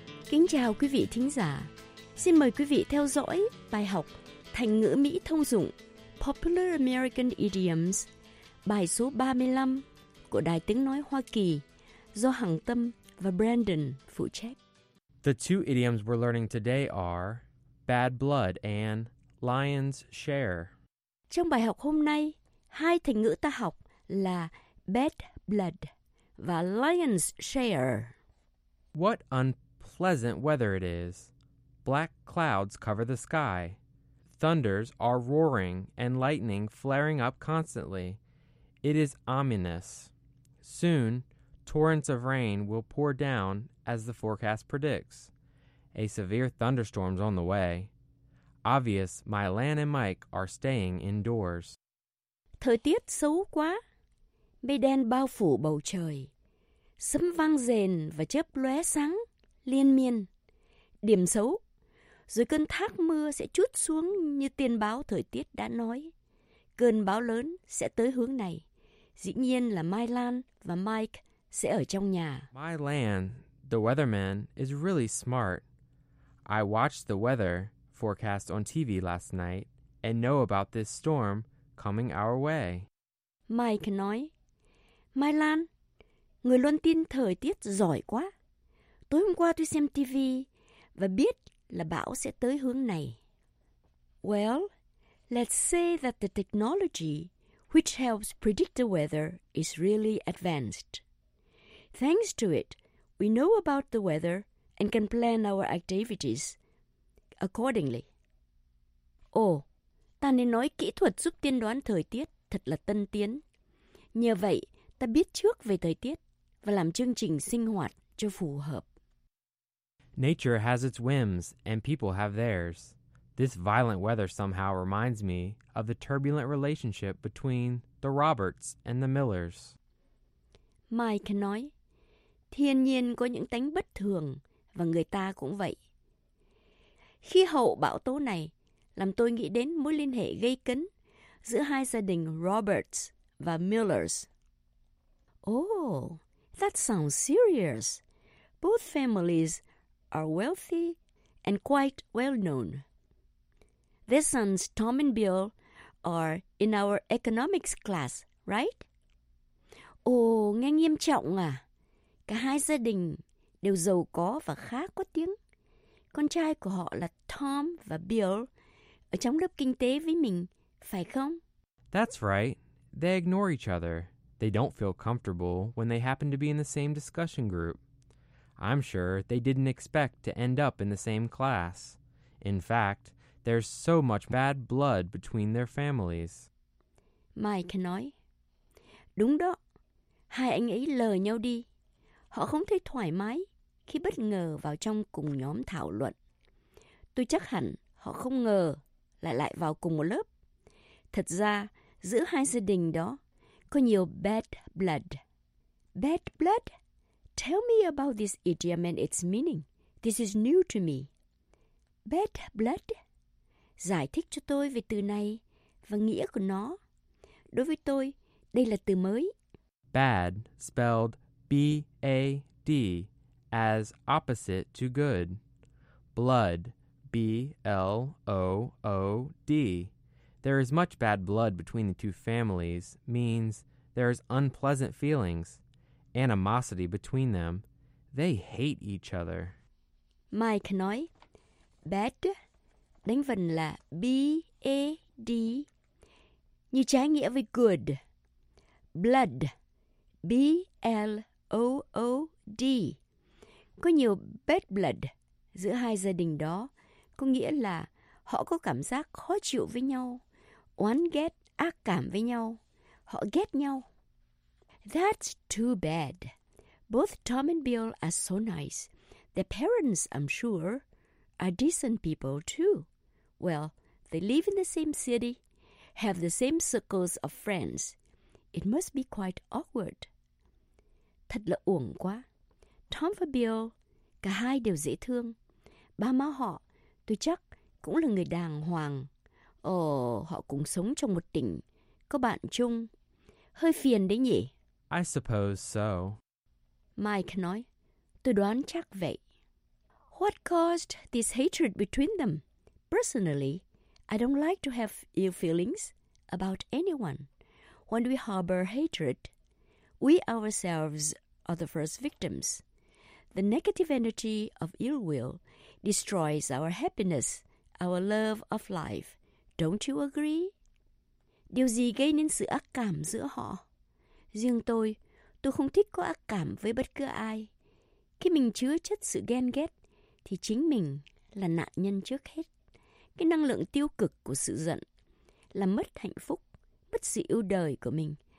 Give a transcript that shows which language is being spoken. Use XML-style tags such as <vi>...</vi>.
<vi>Kính chào quý vị thính giả. Xin mời quý vị theo dõi bài học thành ngữ Mỹ thông dụng Popular American Idioms, bài số 35 của Đài Tiếng Nói Hoa Kỳ do Hằng Tâm và Brandon phụ trách.</vi> <en>The two idioms we're learning today are bad blood and lion's share.</en> <vi>Trong bài học hôm nay, hai thành ngữ ta học là bad blood và lion's share.</vi> <en>What unpleasant weather it is. Black clouds cover the sky. Thunders are roaring and lightning flaring up constantly. It is ominous. Soon, torrents of rain will pour down, as the forecast predicts. A severe thunderstorm's on the way. Obvious, my Lan and Mike are staying indoors.</en> <vi>Thời tiết xấu quá. Mây đen bao phủ bầu trời. Sấm vang rền và chớp lóe sáng, liên miên. Điểm xấu. Rồi cơn thác mưa sẽ trút xuống như tiên báo thời tiết đã nói. Cơn bão lớn sẽ tới hướng này. Dĩ nhiên là Mai Lan và Mike sẽ ở trong nhà.</vi> <en>Mai Lan, the weatherman, is really smart. I watched the weather forecast on TV last night and know about this storm coming our way.</en> <vi>Mike nói, Mai Lan, người luôn tin thời tiết giỏi quá. Tối hôm qua tôi xem TV và biết là bão sẽ tới hướng này.</vi> <en>Well, let's say that the technology which helps predict the weather is really advanced. Thanks to it, we know about the weather and can plan our activities accordingly.</en> <vi>Oh, ta nên nói kỹ thuật giúp tiên đoán thời tiết thật là tân tiến. Nhờ vậy, ta biết trước về thời tiết và làm chương trình sinh hoạt cho phù hợp.</vi> <en>Nature has its whims and people have theirs. This violent weather somehow reminds me of the turbulent relationship between the Roberts and the Millers.</en> <vi>Mike nói, thiên nhiên có những tánh bất thường và người ta cũng vậy. Khí hậu bão tố này làm tôi nghĩ đến mối liên hệ gây cấn giữa hai gia đình Roberts và Millers.</vi> <en>Oh, that sounds serious. Both families are wealthy and quite well known. Their sons, Tom and Bill, are in our economics class, right?</en> <vi>Ồ, nghe nghiêm trọng à. Cả hai gia đình đều giàu có và khá có tiếng. Con trai của họ là Tom và Bill ở trong lớp kinh tế với mình, phải không?</vi> <en>That's right. They ignore each other. They don't feel comfortable when they happen to be in the same discussion group. I'm sure they didn't expect to end up in the same class. In fact, there's so much bad blood between their families.</en> <vi>Mike nói, đúng đó, hai anh ấy lờ nhau đi. Họ không thấy thoải mái khi bất ngờ vào trong cùng nhóm thảo luận. Tôi chắc hẳn họ không ngờ lại vào cùng một lớp. Thật ra, giữa hai gia đình đó có nhiều bad blood.</vi> <en>Bad blood? Tell me about this idiom and its meaning. This is new to me. Bad blood?</en> <vi>Giải thích cho tôi về từ này và nghĩa của nó. Đối với tôi, đây là từ mới.</vi> <en>Bad, spelled B-A-D, as opposite to good. Blood, B-L-O-O-D. There is much bad blood between the two families means there is unpleasant feelings, animosity between them. They hate each other.</en> <vi>Mike nói, bad, đánh vần là B-A-D, như trái nghĩa với good. Blood, B-L-O-O-D. Có nhiều bad blood giữa hai gia đình đó, có nghĩa là họ có cảm giác khó chịu với nhau, oán ghét, ác cảm với nhau, họ ghét nhau.</vi> <en>That's too bad. Both Tom and Bill are so nice. Their parents, I'm sure, are decent people too. Well, they live in the same city, have the same circles of friends. It must be quite awkward.</en> <vi>Thật là uổng quá. Tom và Bill, cả hai đều dễ thương. Ba má họ, tôi chắc, cũng là người đàng hoàng. Ồ, họ cũng sống trong một tỉnh, có bạn chung. Hơi phiền đấy nhỉ?</vi> <en>I suppose so.</en> <vi>Mike nói, tôi đoán chắc vậy.</vi> <en>What caused this hatred between them? Personally, I don't like to have ill feelings about anyone. When we harbor hatred, we ourselves are the first victims. The negative energy of ill will destroys our happiness, our love of life. Don't you agree?</en> <vi>Điều gì gây nên sự ác cảm giữa họ? Riêng tôi không thích có ác cảm với bất cứ ai. Khi mình chứa chất sự ghen ghét, thì chính mình là nạn nhân trước hết. Cái năng lượng tiêu cực của sự giận là mất hạnh phúc, mất sự yêu đời của mình.</vi>